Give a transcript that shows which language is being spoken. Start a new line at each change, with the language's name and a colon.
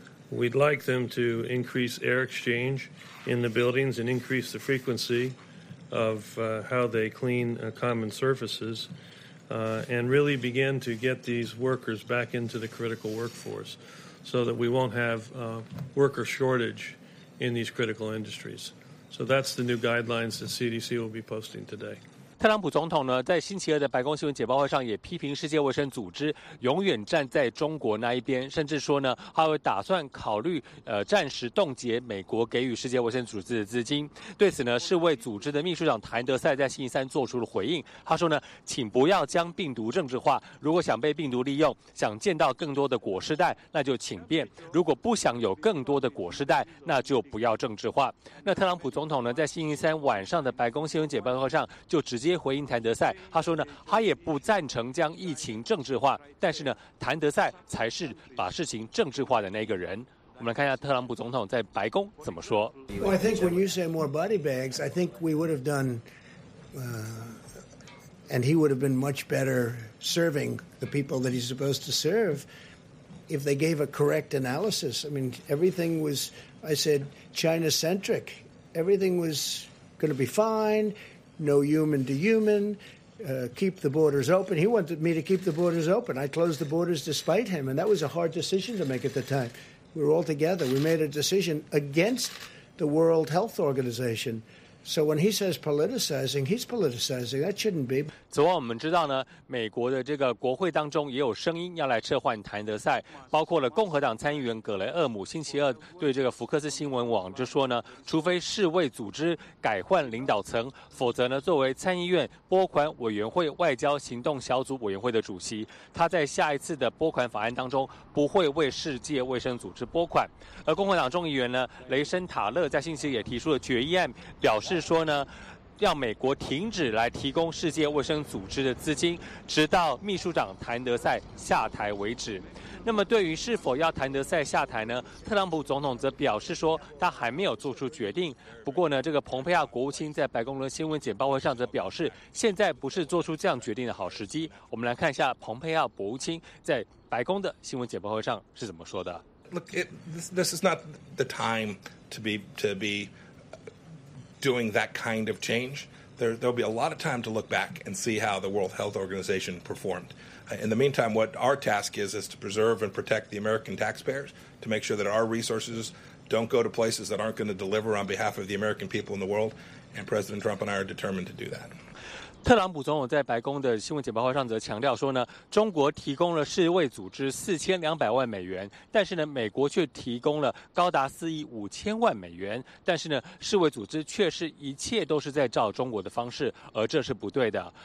English: We'd like them to increase air exchange in the buildings and increase the frequency of how they clean common surfaces and really begin to get these workers back into the critical workforce. So that we won't have worker shortage in these critical industries. So that's the new guidelines that CDC will be posting today.
Chinese: 特朗普总统呢，在星期二的白宫新闻简报会上也批评世界卫生组织永远站在中国那一边，甚至说呢，他会打算考虑暂时冻结美国给予世界卫生组织的资金。对此呢，世卫组织的秘书长谭德赛在星期三做出了回应，他说呢，请不要将病毒政治化，如果想被病毒利用，想见到更多的果实袋，那就请变；如果不想有更多的果实袋，那就不要政治化。那特朗普总统呢，在星期三晚上的白宫新闻简报会上就直接回应谭德赛，他说呢，他也不赞成将疫情政治化，但是呢，谭德赛才是把事情政治化的那个人。我们来看一下特朗普总统在白宫怎么说。
English: Well, I think when you say more body bags, I think we would have done, and he would have been much better serving the people that he's supposed to serve if they gave a correct analysis. I mean, everything was, I said, China-centric. Everything was going to be fine. No human to human, keep the borders open. He wanted me to keep the borders open. I closed the borders despite him, and that was a hard decision to make at the time. We were all together. We made a decision against the World Health Organization. So when he says politicizing, he's politicizing. That shouldn't be.
Chinese: 此外，我们知道呢，美国的这个国会当中也有声音要来撤换谭德赛，包括了共和党参议员葛雷厄姆星期二对这个福克斯新闻网就说呢，除非世卫组织改换领导层，否则呢，作为参议院拨款委员会外交行动小组委员会的主席，他在下一次的拨款法案当中不会为世界卫生组织拨款。而共和党众议员呢，雷森塔勒在星期也提出了决议案，表示。是说呢，要美国停止来提供世界卫生组织的资金，直到秘书长谭德赛下台为止。那么对于是否要谭德赛下台呢，特朗普总统则表示说他还没有做出决定。不过呢，这个蓬佩奥国务卿在白宫的新闻简报会上则表示，现在不是做出这样决定的好时机。我们来看一下蓬佩奥国务卿在白宫的新闻简报会上是怎么说的。
English: Look, this is not the time to be doing that kind of change. There'll be a lot of time to look back and see how the World Health Organization performed. In the meantime, what our task is to preserve and protect the American taxpayers, to make sure that our resources don't go to places that aren't going to deliver on behalf of the American people in the world. And President Trump and I are determined to do that.
Chinese: 特朗普总统在白宫的新闻简报会上则强调说呢，中国提供了世卫组织4200万美元，但是呢，美国却提供了高达4亿5000万美元，但是呢，世卫组织却是一切都是在照中国的方式，而这是不对的。